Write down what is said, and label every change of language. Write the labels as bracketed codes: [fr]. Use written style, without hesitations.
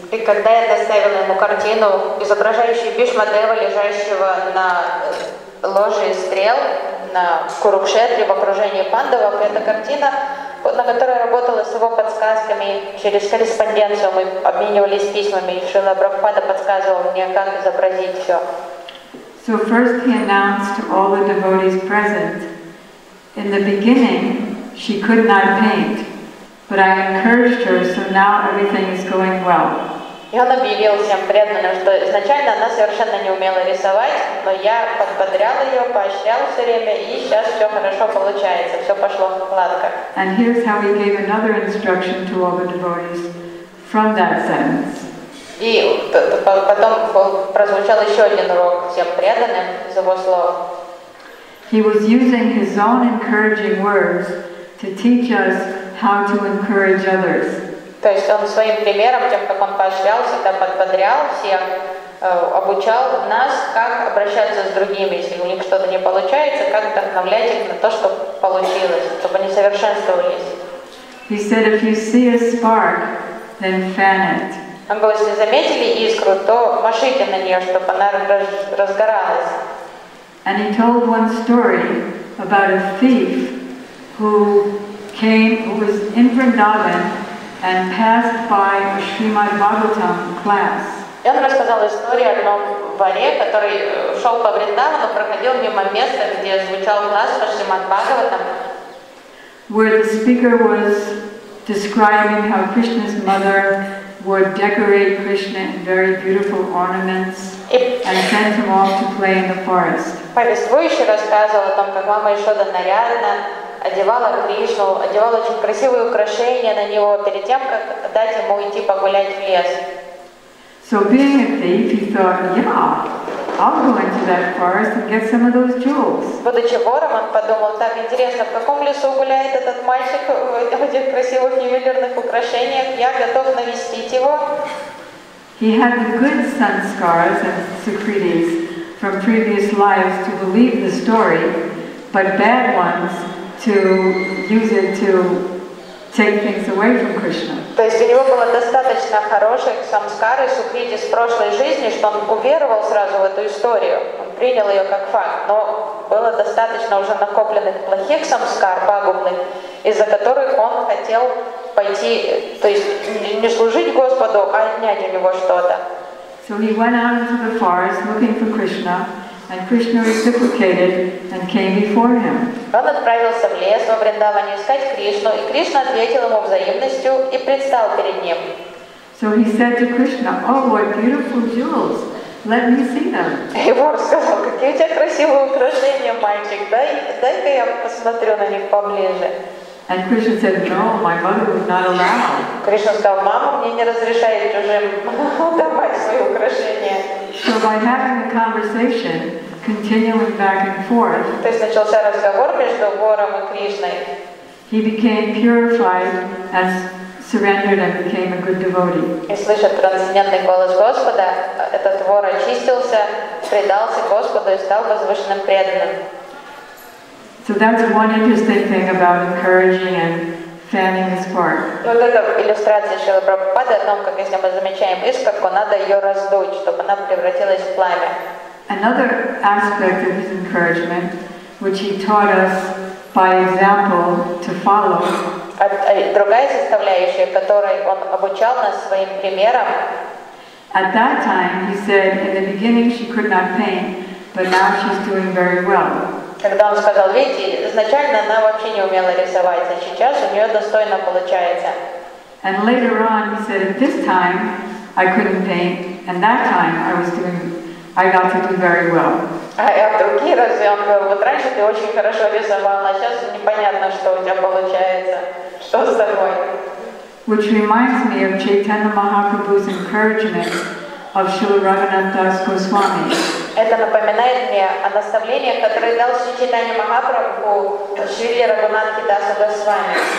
[ru] И когда я доставила ему картину, изображающую Бишма Дева, лежащего на ложе стрел, на Курукшетре, в окружении Пандавов, эта картина, на которой я работала с его подсказками, через корреспонденцию мы обменивались письмами, и Шрила Прабхупада подсказывал мне, как изобразить все. [en] So first he announced to all the devotees present, in the beginning she could not paint, but I encouraged her, so now everything is going well. [ru] И он объявил всем преданным, что изначально она совершенно не умела рисовать, но я подбодрял ее, поощрял все время, и сейчас все хорошо получается, все пошло гладко. [en] And here's how he gave another instruction to all the devotees from that sentence. [ru] И потом прозвучал еще один урок всем преданным из его слов. [en] He was using his own encouraging words to teach us how to encourage others. [ru] То есть он своим примером, тем, как он поощрял всегда, подбодрял всех, обучал нас, как обращаться с другими, если у них что-то не получается, как вдохновлять их на то, что получилось, чтобы они совершенствовались. [en] He said, if you see a spark, then fan it. [ru] Он говорит, если заметили искру, то машите на нее, чтобы она разгоралась. [en] And he told one story about a thief who was in Vrindavan and passed by a Srimad Bhagavatam class. [ru] И он рассказал историю о одном варе, который шел по Вриндавану, проходил мимо места, где звучал класс по Шримад Бхагаватам. [en] Where the speaker was describing how Krishna's mother would decorate Krishna in very beautiful ornaments and send him off to play in the forest. [ru] Повествующий рассказывал о том, как мама Ишода нарядно одевала Кришну, одевала очень красивые украшения на него перед тем, как дать ему идти погулять в лес. [en] So being a thief, he thought, yeah, I'll go into that forest and get some of those jewels. [ru] Будучи вором, он подумал, так интересно, в каком лесу гуляет этот мальчик в этих красивых ювелирных украшениях, я готов навестить его. [en] He had the good sanskaras and sukritis from previous lives to believe the story, but bad ones to use it to take things away from Krishna. [ru] То есть у него было достаточно хороших самскар и сукрити с прошлой жизни, что он уверовал сразу в эту историю, он принял ее как факт, но было достаточно уже накопленных плохих самскар, пагубных, из-за которых он хотел пойти, то есть не служить Господу, а отнять у него что-то. [en] So he went out into the forest looking for Krishna, and Krishna reciprocated and came before him. [ru] Он отправился в лес во Вриндаване искать Кришну, и Кришна ответил ему взаимностью и предстал перед ним. [en] So he said to Krishna, "Oh, what beautiful jewels! Let me see them." [ru] И вор сказал, какие у тебя красивые украшения, мальчик. Дай-ка я посмотрю на них поближе. [en] And Krishna said, "No, my mother would not allow." [ru] Кришна сказал, мама мне не разрешает чужим давать свои украшения. [en] So by having a conversation, continuing back and forth, [ru] то есть начался разговор между вором и Кришной. [en] He became purified and surrendered and became a good devotee. [ru] И слышав трансцендентный голос Господа, этот вор очистился, предался Господу и стал возвышенным преданным. [en] So that's one interesting thing about encouraging and fanning the spark. [ru] Вот это иллюстрация Шрилы Прабхупады о том, как если мы замечаем искорку, надо ее раздуть, чтобы она превратилась в пламя. [en] Another aspect of his encouragement, which he taught us by example to follow. [ru] Другая составляющая, которой он обучал нас своим примером. [en] At that time, he said, in the beginning she could not paint, but now she's doing very well. [ru] Когда он сказал, видите, изначально она вообще не умела рисовать, а сейчас у нее достойно получается. [en] And later on, he said, at this time I couldn't paint, and that time I was doing, I got to do very well. [ru] А в другие разы он говорил, вот раньше ты очень хорошо рисовал, а сейчас непонятно, что у тебя получается, что с тобой. [en] Which reminds me of Chaitanya Mahaprabhu's encouragement of Śrīla Raghunath Das Goswami. [ru] Это напоминает мне о наставлении, которое дал Чайтанья Махапрабху Шриле Рагхунатхе Даса Госвами.